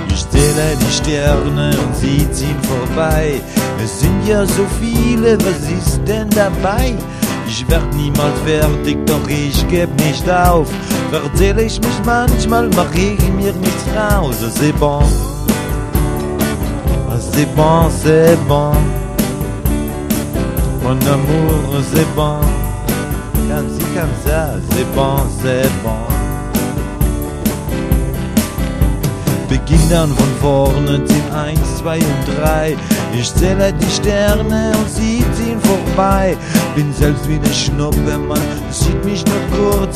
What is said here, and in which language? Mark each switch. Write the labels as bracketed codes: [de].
[de] Zähle die Sterne und sie ziehen vorbei. Es sind ja so viele, was ist denn dabei? Ich werd niemals fertig, doch ich geb nicht auf. Verzähl ich mich manchmal, mach ich mir nichts raus. [fr] C'est bon, c'est bon, c'est bon. Mon amour, c'est bon. Comme si, comme ça, c'est bon, c'est bon. [de] Beginn dann von vorne, zieh 1, 2 und 3. Ich zähle die Sterne und sie ziehen vorbei. Bin selbst wie eine Schnuppe, man sieht mich nur kurz.